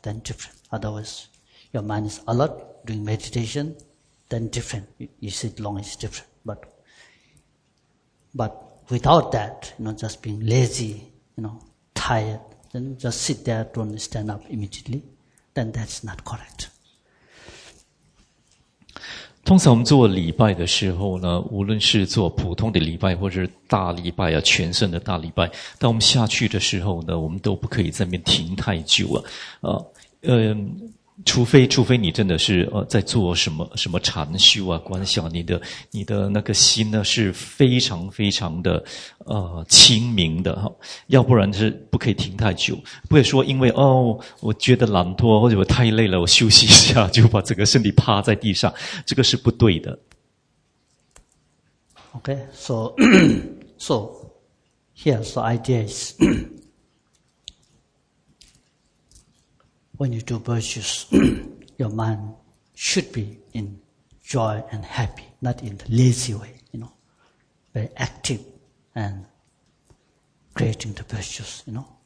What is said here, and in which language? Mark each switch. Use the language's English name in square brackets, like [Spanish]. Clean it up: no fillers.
[English] Then different. Otherwise, your mind is alert doing meditation. Then different. You sit long, it's different. But without that, you know, just being lazy, you know, tired, then just sit there, don't stand up immediately, then that's not correct. [Chinese] 通常我们做礼拜的时候呢，无论是做普通的礼拜或者大礼拜啊，全身的大礼拜，当我们下去的时候呢，我们都不可以在那边停太久啊，除非你真的是在做什么禅修啊观想，你的那个心呢是非常非常的清明的齁，要不然是不可以停太久。不会说因为我觉得懒惰或者我太累了我休息一下就把整个身体趴在地上，这个是不对的。 [English] Okay, so here's the idea is, When you do virtues, your mind should be in joy and happy, not in the lazy way, you know, very active and creating the virtues, you know.